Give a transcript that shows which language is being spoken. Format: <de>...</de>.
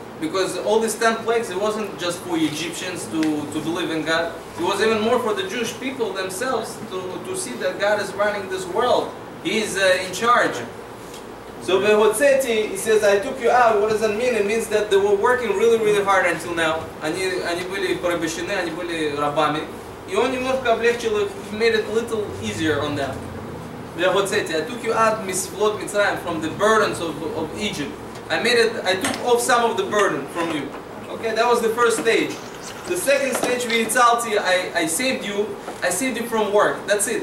<en>Because all these 10 plagues, it wasn't just for Egyptians to believe in God. It was even more for the Jewish people themselves to see that God is running this world. He's in charge. So Behotzeti, he says, I took you out. What does that mean? It means that they were working really, really hard until now.</en> <ru>Они были порабощены, они были рабами. И он немножко облегчил их,</ru> <en>made it a little easier on them. Behotzeti, I took you out, Mitzvot Mitzrayim, from the burdens of Egypt. I took off some of the burden from you. Okay, that was the first stage. The second stage, Vitzalti, I saved you. I saved you from work. That's it.</en>